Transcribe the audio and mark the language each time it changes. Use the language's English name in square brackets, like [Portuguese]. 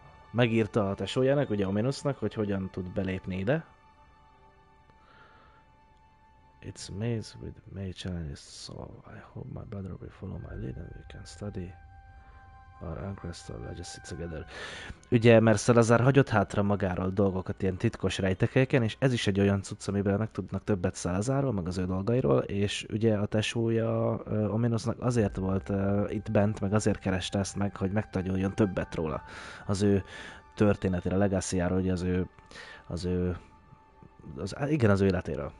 [Hungarian] Megírta a tesójának, ugye Ominusnak, hogy hogyan tud belépni ide. [English] It's maze with many challenges, so I hope my brother will follow my lead and we can study. Our ancestors just sit together. [Hungarian] Ugye, mert Salazar hagyott hátra magáról dolgokat ilyen titkos rejtekeken, és ez is egy olyan cucc, amiben meg tudnak többet Salazarról, meg az ő dolgairól, és ugye a tesója Ominosnak azért volt itt bent, meg azért kereste ezt meg, hogy megtanuljon többet róla az ő történetére, legacy-áról, ugye az ő életéről.